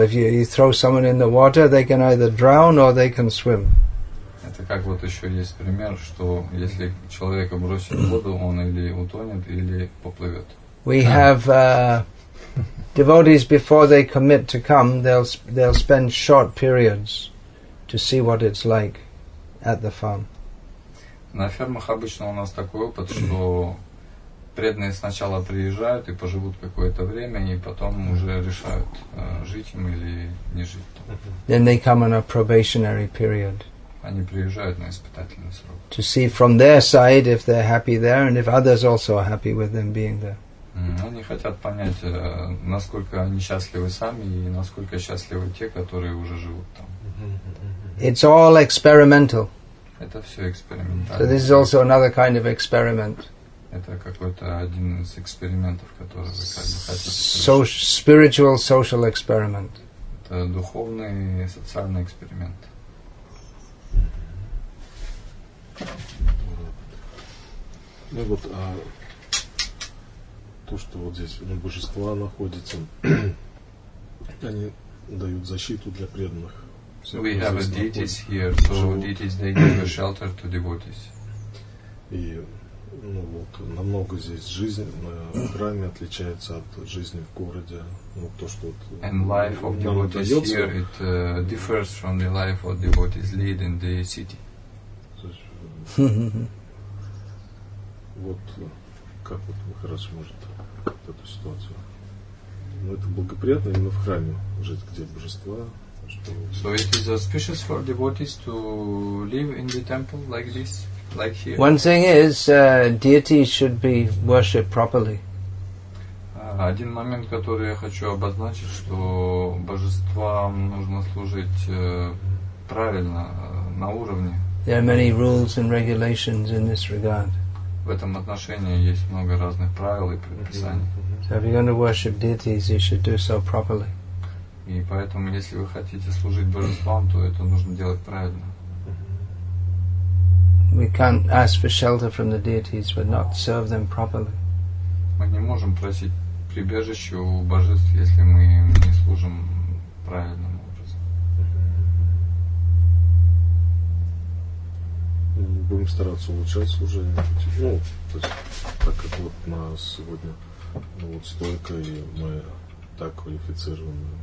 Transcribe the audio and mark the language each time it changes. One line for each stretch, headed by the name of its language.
English: If you throw someone in the water, they can either drown or they can swim.
Russian: Это как вот еще есть пример, что если человека бросит в воду, он или утонет, или поплывет.
English: We have devotees before they commit to come, they'll spend short periods to see what it's like at the farm.
Russian: На фермах обычно у нас такой опыт, что преданные сначала приезжают и поживут какое-то время, и потом уже решают, жить им или не жить там.
English: Then they come on a probationary period.
Russian: Они приезжают на испытательный срок.
English: To see from their side if they're happy there and if others also are happy with them being there.
Russian: Они хотят понять, насколько они счастливы сами и насколько счастливы те, которые уже живут там.
English: It's all experimental.
Russian: Это все экспериментально.
English: So this is also another kind of experiment.
Russian: Это какой-то один из экспериментов, который вы как бы хотите.
English: Spiritual social experiment.
Russian: Это духовный социальный эксперимент. Ну вот, а то, что вот здесь божества находятся, они дают защиту для преданных.
English: We have a deities here, so deities they give a shelter to devotees.
Russian: И ну вот намного здесь жизнь в храме отличается от жизни в городе. Ну то, что вот.
English: And life of devotees here it differs from the life of devotees lead in the city.
Russian: Вот как вот Махарадж может эту ситуацию. Ну это благоприятно именно в храме жить, где божества.
English: So it is auspicious for devotees to live in the temple like this, like here. One thing is, deities should be worshipped properly.
Russian: Один момент, который я хочу обозначить, что божествам нужно служить правильно, на уровне.
English: There are many rules and regulations in this regard.
Russian: В этом отношении есть много разных правил и предписаний.
English: So if you're going to worship deities, you should do so properly.
Russian: И поэтому, если вы хотите служить божествам, то это нужно делать правильно.
English: We can't ask for shelter from the deities, but not serve them properly.
Russian: Мы не можем просить прибежище у божеств, если мы не служим правильным образом. Будем стараться улучшать служение. Ну, то есть, так как вот у нас сегодня вот столько, и мы так квалифицированы.